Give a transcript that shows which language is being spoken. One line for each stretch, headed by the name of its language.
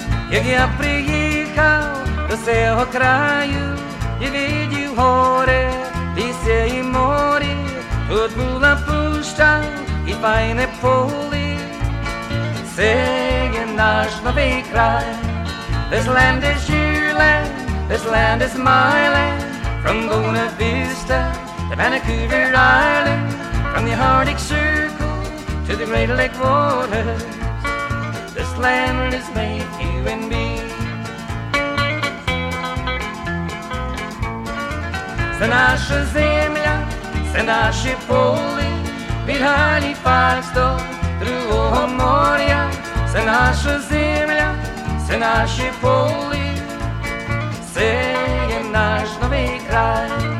Ukrainian: Як я приїхав до цього краю і видів горе, лісі і морі, тут була пуща і файне полі. Це є наш новий край.
English: This land is your land, this land is my land. From Buena Vista to Vancouver Island, from the Arctic Circle to the Great Lake waters, this land is made you and me.
Ukrainian: Це наша земля, це наші полі, від Галіфакс до другого моря. Це наша земля, це наші полі, це є наш новий край.